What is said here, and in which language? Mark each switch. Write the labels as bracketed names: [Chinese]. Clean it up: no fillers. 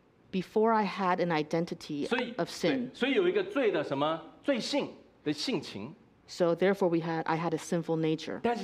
[English] Before I had an identity of sin. [Chinese] 所以有一个罪的什么罪性。 [English] So therefore, I had a sinful nature.